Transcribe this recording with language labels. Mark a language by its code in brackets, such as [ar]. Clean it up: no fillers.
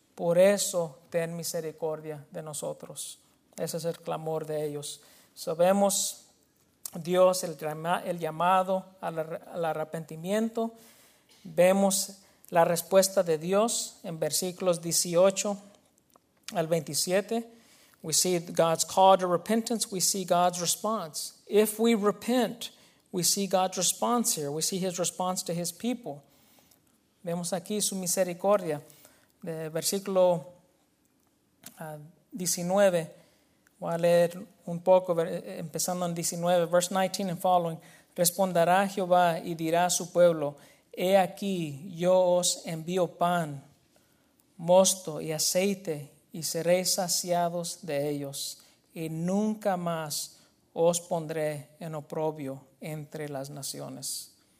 [es] Por eso ten misericordia de nosotros. Ese es el clamor de ellos. Sabemos, Dios, el llamado al arrepentimiento. Vemos la respuesta de Dios en versículos 18 al 27. [en] We see God's call to repentance. We see God's response. If we repent, we see God's response here. We see his response to his people. [es] Vemos aquí su misericordia. De versículo 19. Voy a leer un poco, empezando en 19. [en] Verse 19 and following. [es] Responderá Jehová y dirá a su pueblo, he aquí, yo os envío pan, mosto y aceite, y seréis saciados de ellos, y nunca más os pondré en oprobio entre las naciones.